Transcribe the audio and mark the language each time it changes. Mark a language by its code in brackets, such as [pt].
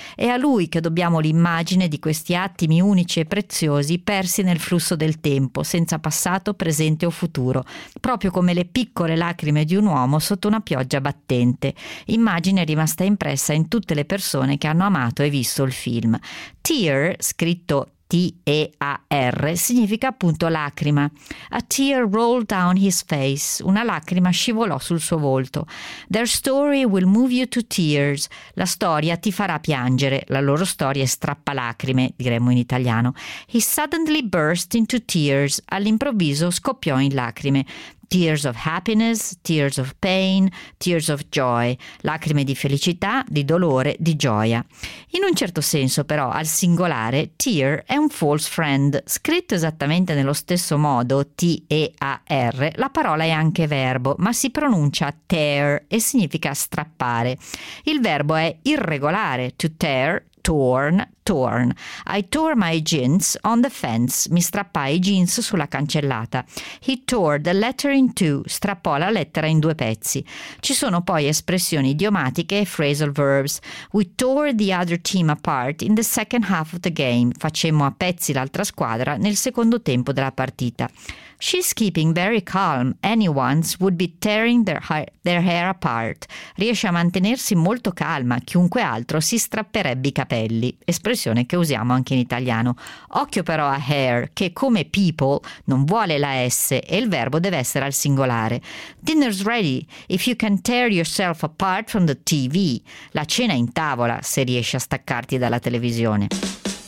[it] È a lui che dobbiamo l'immagine di questi attimi unici e preziosi persi nel flusso del tempo, senza passato, presente o futuro, proprio come le piccole lacrime di un uomo sotto una pioggia battente. Immagine rimasta impressa in tutte le persone che hanno amato e visto il film. Tear, scritto T-E-A-R, significa appunto lacrima. [en] A tear rolled down his face. [it] Una lacrima scivolò sul suo volto. [en] Their story will move you to tears. [it] La storia ti farà piangere. La loro storia è strappalacrime, diremmo in italiano. [en] He suddenly burst into tears. [it] All'improvviso scoppiò in lacrime. [en] Tears of happiness, tears of pain, tears of joy. [it] Lacrime di felicità, di dolore, di gioia. In un certo senso, però, al singolare, tear è un false friend. Scritto esattamente nello stesso modo, T-E-A-R, la parola è anche verbo, ma si pronuncia tear e significa strappare. Il verbo è irregolare, to tear, torn, torn. [en] I tore my jeans on the fence. [it] Mi strappai i jeans sulla cancellata. [en] He tore the letter in two. [it] Strappò la lettera in due pezzi. Ci sono poi espressioni idiomatiche e phrasal verbs. [en] We tore the other team apart in the second half of the game. [it] Facemmo a pezzi l'altra squadra nel secondo tempo della partita. [en] She's keeping very calm. Anyone's would be tearing their hair apart. [it] Riesce a mantenersi molto calma. Chiunque altro si strapperebbe i capelli. Espressione che usiamo anche in italiano. Occhio però a hair, che come people non vuole la S e il verbo deve essere al singolare. [en] Dinner's ready if you can tear yourself apart from the TV. [it] La cena è in tavola se riesci a staccarti dalla televisione.